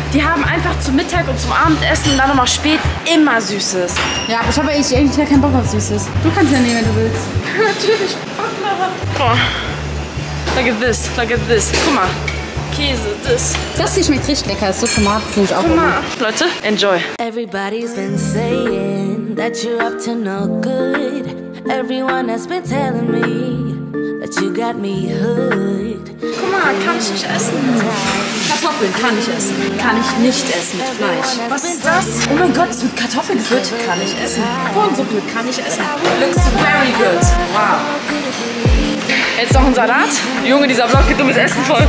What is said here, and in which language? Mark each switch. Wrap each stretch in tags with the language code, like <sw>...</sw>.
<de>Die haben einfach zum Mittag und zum Abendessen und dann nochmal spät immer Süßes. Ja, aber ich habe eigentlich gar keinen Bock auf Süßes. Du kannst ja nehmen, wenn du willst. Natürlich. Guck mal.</de> <en>Oh. Look at this. Look at this.</en> <de>Guck mal. Käse, das. Das hier schmeckt richtig lecker. So Tomaten finde ich auch immer. Leute, enjoy.</de> <en>Everybody's been saying that you're up to no good. Everyone has been telling me that you got me hooked.</en> <de>Guck mal, kann ich nicht essen? Kartoffeln kann ich essen. Kann ich nicht essen mit Fleisch. Was ist das? Oh mein Gott, es wird Kartoffeln gefüllt. Kann ich essen. Bohnensuppe kann ich essen.</de> <en>Looks very good. Wow.</en> <de>Jetzt noch ein Salat. Junge, dieser Vlog geht dummes Essen voll.</de>